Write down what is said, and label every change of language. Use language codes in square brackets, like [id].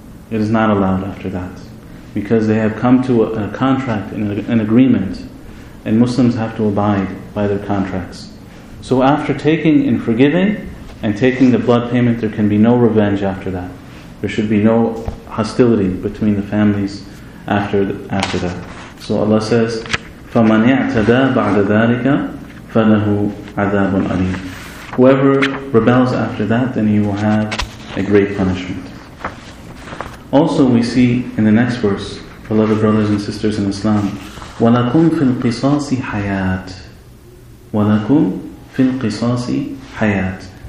[en] It is not allowed after that, because they have come to a contract, an agreement, and Muslims have to abide by their contracts. So after taking and forgiving and taking the blood payment, there can be no revenge after that. There should be no hostility between the families after that. So Allah says, [ar] فَمَنْ اِعْتَدَى بَعْدَ ذَٰلِكَ فَلَهُ عَذَابٌ أَلِيمٌ. [en] Whoever rebels after that, then he will have a great punishment. Also, we see in the next verse, beloved brothers and sisters in Islam, [ar] وَلَكُمْ فِي الْقِصَاصِ حَيَاتٍ. وَلَكُمْ فِي الْقِصَاصِ حَيَاتٍ.